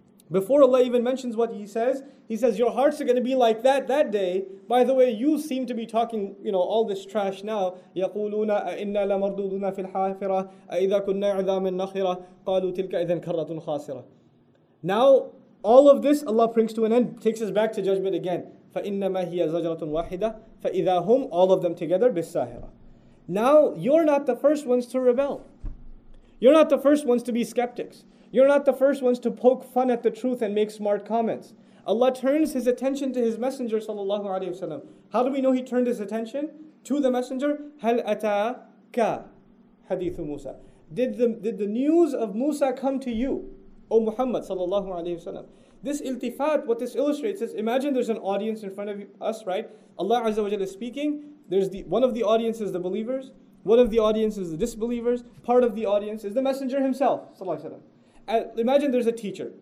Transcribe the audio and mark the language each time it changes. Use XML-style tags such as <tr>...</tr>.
<en>Before Allah even mentions what He says, your hearts are going to be like that day. By the way, you seem to be talking, you know, all this trash now.</en> <ar>يَقُولُونَ أَإِنَّا لَمَرْدُودُونَ فِي الْحَافِرَةِ أَإِذَا كُنَّا عِذَامٍ نَخِرَةٍ قَالُوا تِلْكَ إِذَا كَرَّةٌ خَاسِرَةٌ.</ar> <en>Now, all of this Allah brings to an end, takes us back to judgment again.</en> <ar>فَإِنَّمَا هِيَ زَجْرَةٌ وَاحِدَةٌ فَإِذَا هُمْ,</ar> <en>all of them together,</en> <ar>بِالسَّاهِرَةٌ.</ar> <en>Now, you're not the first ones to rebel. You're not the first ones to be skeptics. You're not the first ones to poke fun at the truth and make smart comments. Allah turns His attention to His Messenger, sallallahu alayhi wa sallam. How do we know He turned His attention? To the Messenger,</en> <ar>هَلْ أَتَاكَ حَدِيثُ مُوسَى.</ar> <en>Did the news of Musa come to you, O Muhammad, sallallahu alayhi wa sallam? This iltifat, what this illustrates is, imagine there's an audience in front of us, right? Allah Azza wa Jalla is speaking. There's one of the audience is the believers. One of the audience is the disbelievers. Part of the audience is the Messenger himself, sallallahu alayhi wa sallam. Imagine there's a teacher.</en>